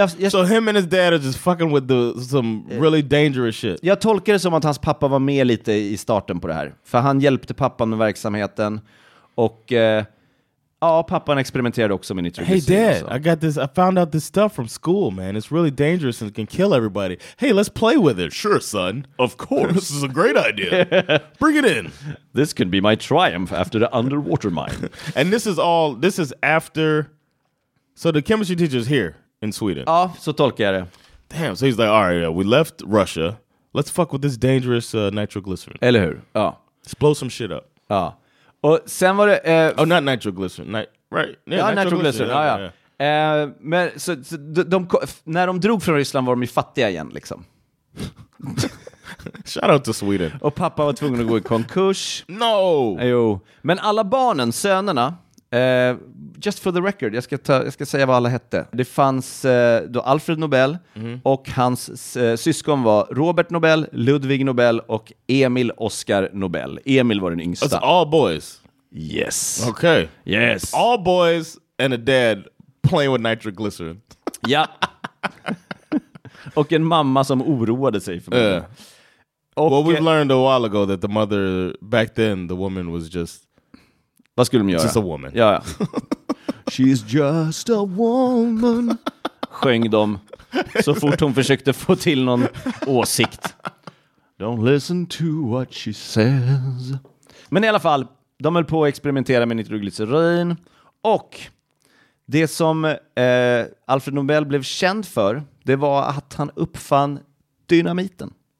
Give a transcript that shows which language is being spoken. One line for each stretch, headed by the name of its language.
English: So him and his dad are just fucking with the, some really dangerous shit.
Swedish: Jag tolkar det som att hans pappa var med lite i starten på det här. För han hjälpte pappan med verksamheten. Och ja, pappan experimenterade också med nitrogen.
English: Hey dad, I got this, I found out this stuff from school, man. It's really dangerous and can kill everybody. Hey, let's play with it. Sure, son. Of course. This is a great idea. Bring it in. This can be my triumph after the underwater mine. And this is all, this is after, so the chemistry teacher is here. In Sweden.
Swedish: Ja, så tolkar jag det.
English: Damn, so he's like, all right, yeah, we left Russia. Let's fuck with this dangerous nitroglycerin.
Swedish: Eller hur? Ja.
English: Let's blow some shit up.
Swedish: Ja. Och sen var det...
English: Oh, not nitroglycerin. Right.
Swedish: Yeah, ja, nitroglycerin. Ja, ja. Men så, när de drog från Ryssland var de ju fattiga igen, liksom.
English: Shout out to Sweden.
Swedish: Och pappa var tvungen att gå i konkurs.
English: No!
Swedish: Jo. Men alla barnen, sönerna...
English: just for the record,
Swedish: jag ska säga vad alla hette. Det fanns då Alfred Nobel, mm-hmm, och hans syskon var Robert Nobel, Ludvig Nobel och Emil Oscar Nobel. Emil var den yngsta.
English: It's all boys. Yes. Okay. Yes. All boys and a dad playing with nitroglycerin.
Swedish: Ja. Och en mamma som oroade sig för mig.
English: Och, well, we've learned a while ago that the mother back then, the woman was just...
Swedish: Vad skulle de göra?
English: Just a woman.
Swedish: Ja, ja.
English: She's just a woman.
Swedish: Sjöng de så fort hon försökte få till någon åsikt.
English: Don't listen to what she says.
Swedish: Men i alla fall, de höll på att experimentera med nitroglycerin. Och det som Alfred Nobel blev känd för, det var att han uppfann dynamiten.